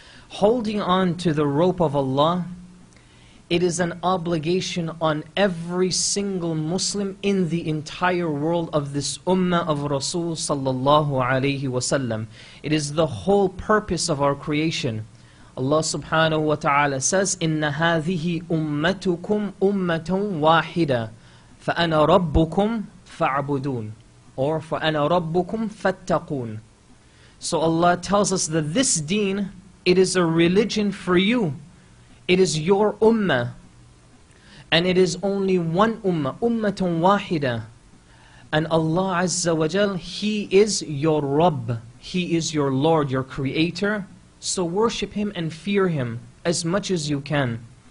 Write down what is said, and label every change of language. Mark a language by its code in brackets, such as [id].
[en] Holding on to the rope of Allah, it is an obligation on every single Muslim in the entire world of this ummah of Rasul sallallahu alayhi wa sallam. It is the whole purpose of our creation. Allah subhanahu wa ta'ala says, [ar] إِنَّ هَذِهِ أُمَّتُكُمْ أُمَّةً وَاحِدًا فَأَنَا رَبُّكُمْ فَاعْبُدُونَ or فَأَنَا رَبُّكُمْ فَاتَّقُونَ. [en] So Allah tells us that this deen, it is a religion for you. It is your ummah. And it is only one ummah, [ar] ummatun wahida. [en] And Allah Azza wa Jal, He is your Rabb. He is your Lord, your Creator. So worship Him and fear Him as much as you can.